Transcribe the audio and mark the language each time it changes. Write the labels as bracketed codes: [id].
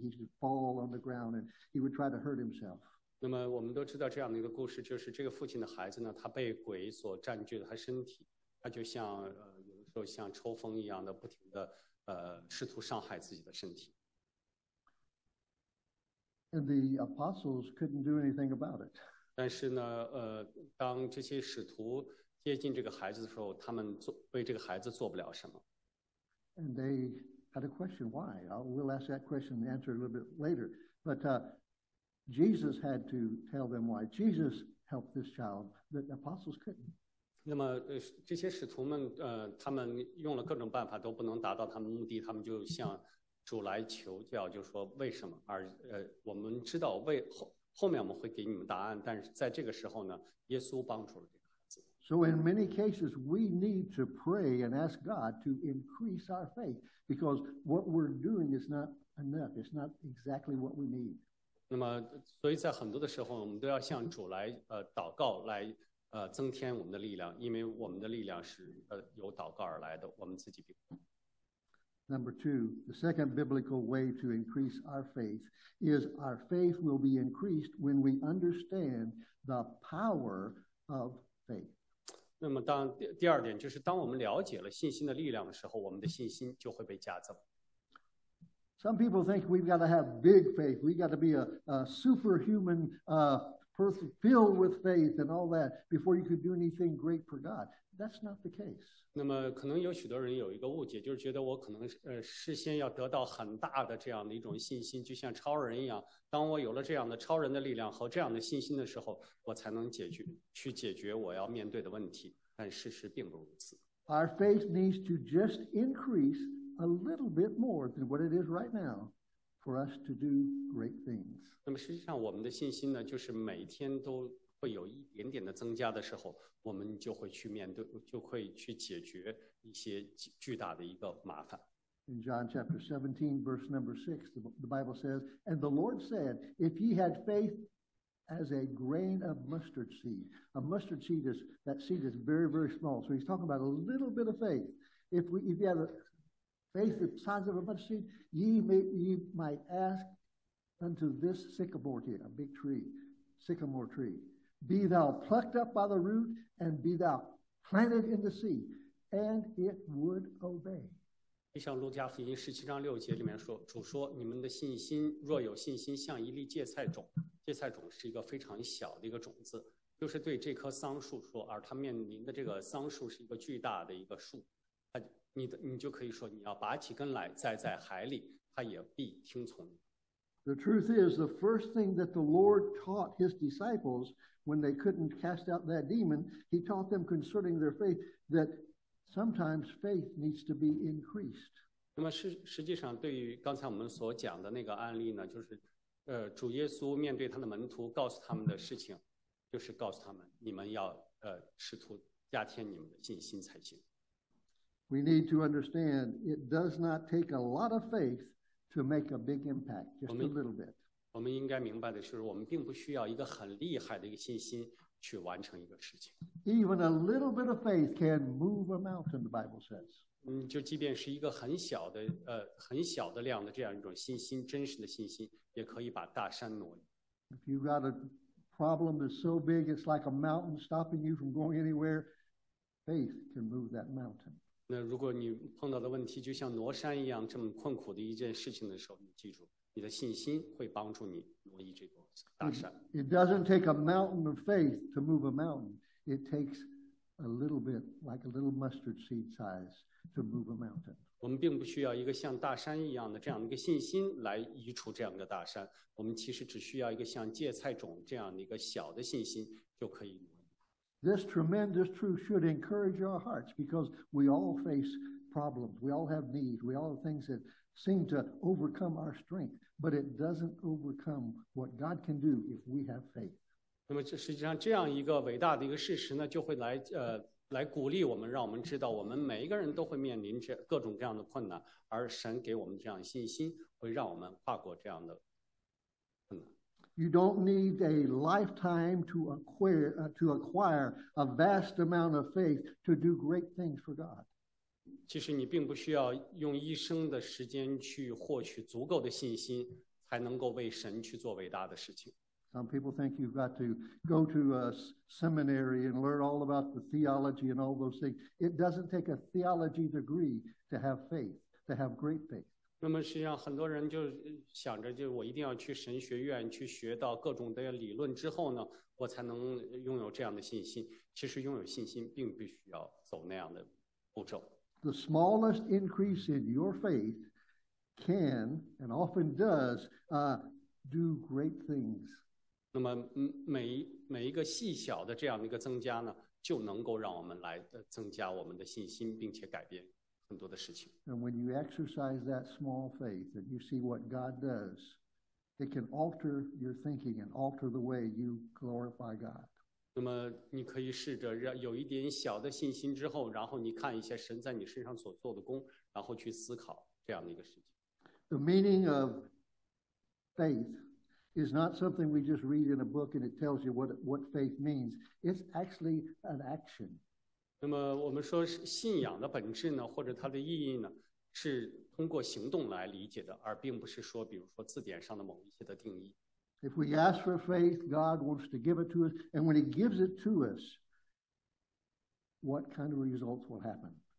[en] He would fall on the ground, and he would try to hurt himself. [zh] 那么我们都知道这样的一个故事，就是这个父亲的孩子呢，他被鬼所占据了他身体，他就像有的时候像抽风一样的，不停的试图伤害自己的身体。 [en] And the apostles couldn't do anything about it. [zh] 但是呢，当这些使徒接近这个孩子的时候，他们为这个孩子做不了什么。 [en] And they had a question, why? We'll ask that question and answer a little bit later. But Jesus had to tell them why. Jesus helped this child that the apostles couldn't. [zh] 那么这些使徒们，他们用了各种办法都不能达到他们目的，他们就向主来求教，就说为什么？而我们知道后面我们会给你们答案，但是在这个时候呢，耶稣帮助了这个。 [en] So in many cases, we need to pray and ask God to increase our faith because what we're doing is not enough. It's not exactly what we need. [zh] 那么，所以在很多的时候，我们都要向主来祷告，来增添我们的力量，因为我们的力量是由祷告而来的，我们自己并不。 [en] Number two, the second biblical way to increase our faith is our faith will be increased when we understand the power of faith. [zh] 那么当第二点就是当我们了解了信心的力量的时候，我们的信心就会被加增。 [en] Some people think we've got to have big faith. We've got to be a superhuman person filled with faith and all that before you could do anything great for God. That's not the case. [zh] 那么可能有许多人有一个误解，就是觉得我可能事先要得到很大的这样的一种信心，就像超人一样。当我有了这样的超人的力量和这样的信心的时候，我才能解决我要面对的问题。但事实并不如此。 [en] Our faith needs to just increase a little bit more than what it is right now for us to do great things. [zh] 那么实际上我们的信心呢，就是每天都会有一点点的增加的时候，我们就会去面对，就会去解决一些巨大的一个麻烦。 [en] In John chapter 17, verse number 6, the Bible says, And the Lord said, If ye had faith as a grain of mustard seed, a mustard seed is, that seed is very, very small. So he's talking about a little bit of faith. If you have a faith the size of a mustard seed, ye might ask unto this sycamore tree, a big tree, sycamore tree, be thou plucked up by the root and be thou planted in the sea, and it would obey. [zh] 就像路加福音十七章六节里面说，主说，你们的信心若有信心，像一粒芥菜种，芥菜种是一个非常小的一个种子，就是对这棵桑树说，而它面临的这个桑树是一个巨大的一个树，你就可以说，你要拔起根来栽在海里，它也必听从你。 [en] The truth is, the first thing that the Lord taught his disciples when they couldn't cast out that demon, he taught them concerning their faith that sometimes faith needs to be increased. [zh] 那么实际上对于刚才我们所讲的那个案例呢，就是主耶稣面对他的门徒告诉他们的事情，就是告诉他们，你们要试图加添你们的信心才行。 [en] We need to understand it does not take a lot of faith to make a big impact, just a little bit. [zh] 我们应该明白的是，我们并不需要一个很厉害的一个信心去完成一个事情。 [en] Even a little bit of faith can move a mountain, the Bible says. [zh] 就即便是一个很小的量的这样一种信心，真实的信心，也可以把大山挪移。 [en] If you've got a problem that's so big it's like a mountain stopping you from going anywhere, faith can move that mountain. [zh] 那如果你碰到的问题就像挪山一样这么困苦的一件事情的时候，你记住，你的信心会帮助你挪移这座大山。 [en] It doesn't take a mountain of faith to move a mountain. It takes a little bit, like a little mustard seed size. To move a mountain. [zh] 我们并不需要一个像大山一样的这样的一个信心来移除这样的大山。我们其实只需要一个像芥菜种这样的一个小的信心就可以。 [en] This tremendous truth should encourage our hearts because we all face problems. We all have needs. We all have things that seem to overcome our strength. But it doesn't overcome what God can do if we have faith. [zh] 那么实际上这样一个伟大的一个事实呢，就会来鼓励我们，让我们知道我们每一个人都会面临着各种各样的困难，而神给我们这样的信心会让我们跨过这样的困难。 [en] You don't need a lifetime to acquire a vast amount of faith to do great things for God. [zh] 其实你并不需要用一生的时间去获取足够的信心才能够为神去做伟大的事情。 [en] Some people think you've got to go to a seminary and learn all about the theology and all those things. It doesn't take a theology degree to have faith, to have great faith. [zh] 那么实际上很多人就想着，就我一定要去神学院去学到各种的理论之后呢，我才能拥有这样的信心。其实拥有信心并不需要走那样的步骤。 [en] The smallest increase in your faith can and often does do great things. [zh] 那么每一个细小的这样的一个增加呢，就能够让我们来增加我们的信心，并且改变很多的事情。 [en] And when you exercise that small faith and you see what God does, it can alter your thinking and alter the way you glorify God. [zh] 那么你可以试着让有一点小的信心之后，然后你看一下神在你身上所做的工，然后去思考这样的一个事情。 [en] The meaning of faith. Is not something we just read in a book and it tells you what faith means. It's actually an action. [zh] 那么我们说信仰的本质呢，或者它的意义呢，是通过行动来理解的，而并不是说，比如说字典上的某一些的定义。 [en] If we ask for faith, God wants to give it to us, and when He gives it to us, what kind of results will happen?